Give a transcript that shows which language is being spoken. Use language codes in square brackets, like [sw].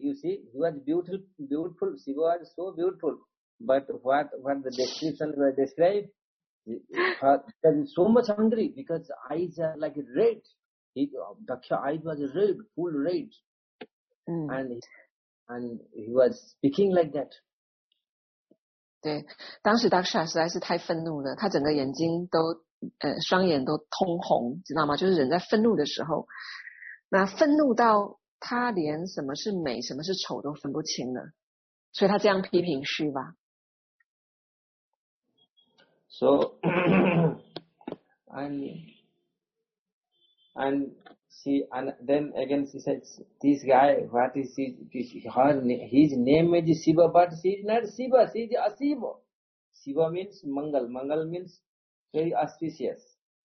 [en] You see, he was beautiful. She was so beautiful, but what the description was described. There is so much angry because eyes are like red. Dakya eyes was red, full red. And And he was speaking like that. [zh] 对，当时 Daksha 实在是太愤怒了，他整个眼睛都双眼都通红，知道吗？就是人在愤怒的时候，那愤怒到他连什么是美、什么是丑都分不清了，所以他这样批评是吧 [en] ？So and she and then again she says, this guy, what is he? His name is Shiva, but she is not Shiva. She is Ashiva. Shiva means Mangal. Mangal means very auspicious.